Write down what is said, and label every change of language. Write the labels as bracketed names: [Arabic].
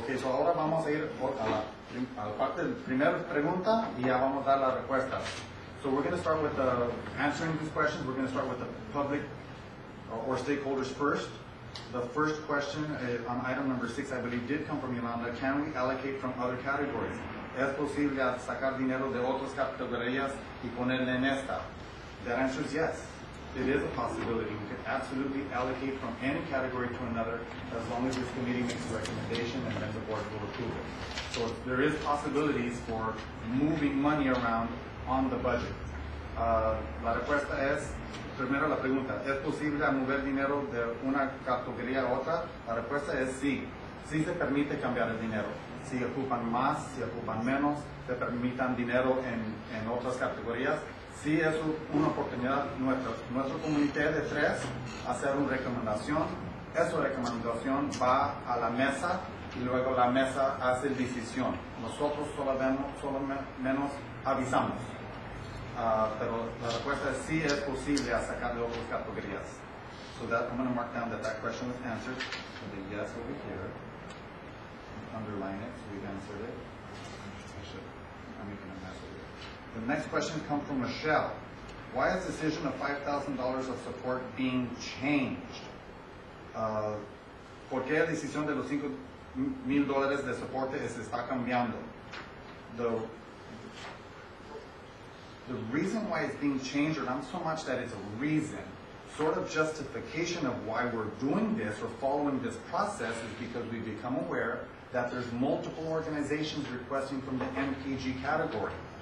[Spanish] Okay, so ahora vamos a ir a la parte del primer pregunta y ya vamos a dar la respuesta. [English] So we're going to start with answering these questions. We're going to start with the public or stakeholders first. The first question on item number six, I believe, did come from Yolanda. Can we allocate from other categories? [Spanish] ¿Es posible sacar dinero de otras categorías y ponerle en esta? [English] That answer is yes. It is a possibility. We can absolutely allocate from any category to another as long as this committee makes a recommendation and then the board will approve it. So there is possibilities for moving money around on the budget. [Spanish] La respuesta es, primero la pregunta, ¿es posible mover dinero de una categoría a otra? La respuesta es sí. Sí se permite cambiar el dinero. Si ocupan más, si ocupan menos, se permitan dinero en otras categorías. Sí es una oportunidad nuestra. Nuestro comité de tres hacer una recomendación. Esa recomendación va a la mesa y luego la mesa hace decisión. Nosotros solo menos avisamos. Pero la respuesta es sí es posible sacar de otras categorías. [English] So that, I'm going to mark down that question was answered. So the yes over here. Underline it so we've answered it. I should. I'm making a mess of it. The next question comes from Michelle. Why is the decision of $5,000 of support being changed? [Spanish] ¿Por qué la decisión de los $5,000 de soporte se está cambiando? [English] The reason why it's being changed, or not so much that it's a reason, sort of justification of why we're doing this or following this process is because we've become aware that there's multiple organizations requesting from the MPG category.